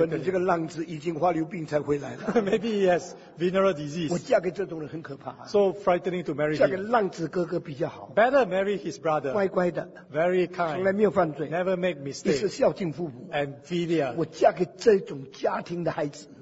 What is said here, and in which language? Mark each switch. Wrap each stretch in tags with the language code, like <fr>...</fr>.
<zh>可能这个浪子已经花流病才回来了。</zh> <en>Maybe he has venereal disease.</en> <zh>我嫁给这种人很可怕。</zh> <en>So frightening to marry him.</en> <zh>嫁给浪子哥哥比较好。</zh> <en>Better marry his brother.</en> <zh>乖乖的。</zh> <en>Very kind.</en> <zh>从来没有犯罪。</zh> <en>Never make mistake.</en> <zh>也是孝敬父母。</zh> <en>And filial.</en> <zh>我嫁给这种家庭的孩子。</zh>